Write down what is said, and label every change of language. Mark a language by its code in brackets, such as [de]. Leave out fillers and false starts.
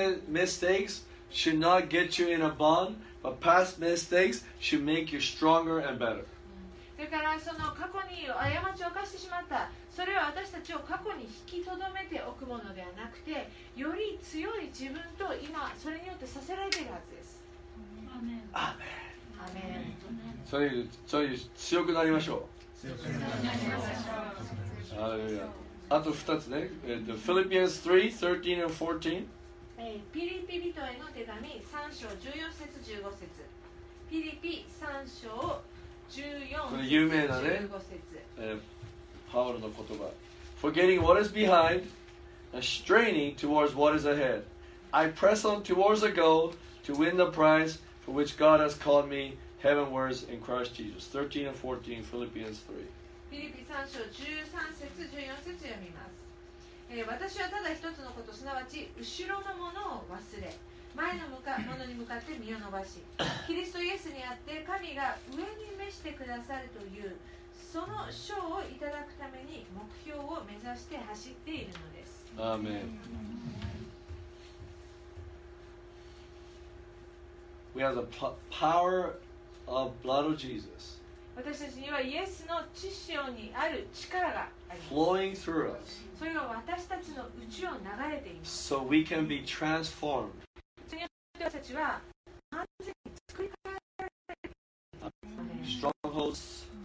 [en] Mistakes should not get you in a bond, but past mistakes should make you stronger and better. [ja] だからその過去に過ちを犯してしまった、それは私たちを過去に引き留めておくものではなくて、より強い自分と今それによってさせられているはずです。アーメン。アーメン。それより強くなりましょう。強くなりましょう。アーメン。あと2つね。 [en] Philippians 3:13 and 14. [ja] ピリピ人への手紙3章14節15節。ピリピ3章14節 15節。これ有名だね。パウロの言葉。 [en] Forgetting what is behind and straining towards what is ahead, I press on towards the goal to win the prize for which God has called me heavenwards in Christ Jesus. 13 and 14, Philippians 3. [ja] ピリピ3章13節14節読みます。私はただ一つのこと、すなわち後ろのものを忘れ、前のものに向かって身を伸ばし、キリストイエスにあって神が上に召してくださるというその賞をいただくために目標を目指して走っているのです。アーメン。 [en] We have the power of blood of Jesus. [ja] 私たちにはイエスの血潮にある力があります。 [en] Flowing through us. [ja] それが私たちの内を流れています。 [en] So we can be transformed. [ja] それによって私たちは完全に作り変えられています。